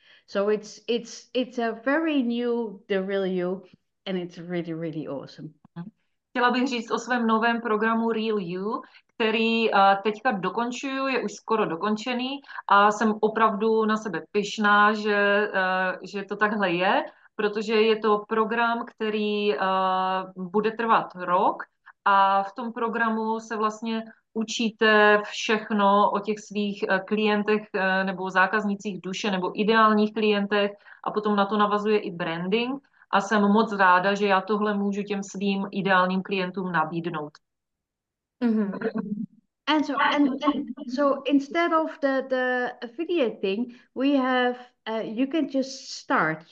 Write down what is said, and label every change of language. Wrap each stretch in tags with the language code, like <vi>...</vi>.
<en>So it's a very new Derill You, and it's really, really awesome.</en> <cs>Chtěla bych říct o svém novém programu Real You, který teďka dokončuju, je už skoro dokončený a jsem opravdu na sebe pyšná, že to takhle je, protože je to program, který bude trvat rok a v tom programu se vlastně učíte všechno o těch svých klientech nebo zákaznicích duše nebo ideálních klientech a potom na to navazuje i branding a jsem moc ráda, že já tohle můžu těm svým ideálním klientům nabídnout. Mm-hmm.</cs> <en>And so instead of the affiliate thing, we have you can just start.</en>